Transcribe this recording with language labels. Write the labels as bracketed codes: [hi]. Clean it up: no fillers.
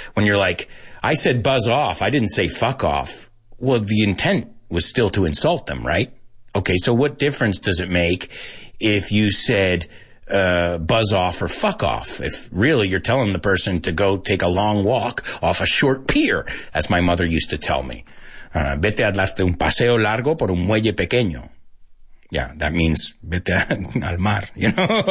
[en] When you're like, I said buzz off, I didn't say fuck off. Well, the intent was still to insult them, right? Okay, so what difference does it make if you said buzz off or fuck off? If really you're telling the person to go take a long walk off a short pier, as my mother used to tell me. [es] Vete a darte un paseo largo por un muelle pequeño. [en] Yeah, that means [es] vete al mar, [en] you know?